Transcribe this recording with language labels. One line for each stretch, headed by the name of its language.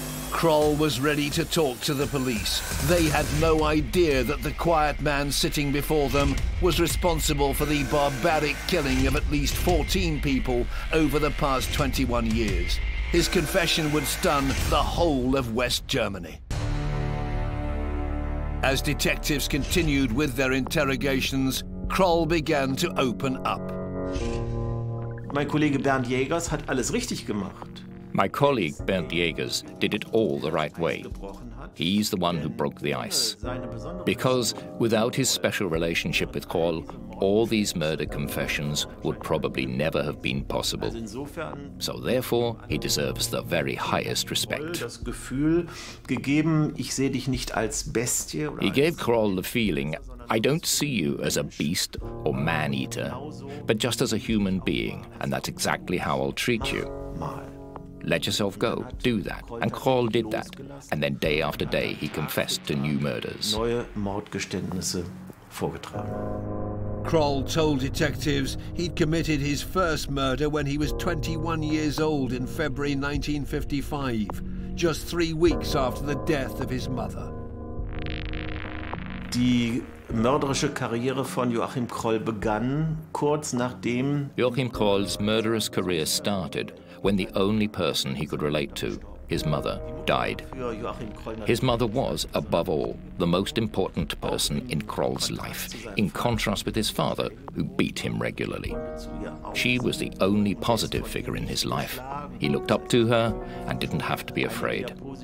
English: Kroll was ready to talk to the police. They had no idea that the quiet man sitting before them was responsible for the barbaric killing of at least 14 people over the past 21 years. His confession would stun the whole of West Germany. As detectives continued with their interrogations, Kroll began to open up.
German: Mein Kollege Bernd Jägers hat alles richtig gemacht.
English: My colleague, Bernd Jägers, did it all the right way. He's the one who broke the ice. Because without his special relationship with Kroll, all these murder confessions would probably never have been possible. So therefore, he deserves the very highest respect. He gave Kroll the feeling, I don't see you as a beast or man-eater, but just as a human being, and that's exactly how I'll treat you. Let yourself go, do that. And Kroll did that. And then day after day, he confessed to new murders.
German: Neue Mordgeständnisse vorgetragen.
English: Kroll told detectives he'd committed his first murder when he was 21 years old in February 1955, just 3 weeks after the death of his mother.
German: Die mörderische Karriere von Joachim Kroll begann kurz nachdem
English: Joachim Kroll's murderous career started when the only person he could relate to, his mother, died. His mother was, above all, the most important person in Kroll's life, in contrast with his father, who beat him regularly. She was the only positive figure in his life. He looked up to her and didn't have to be afraid.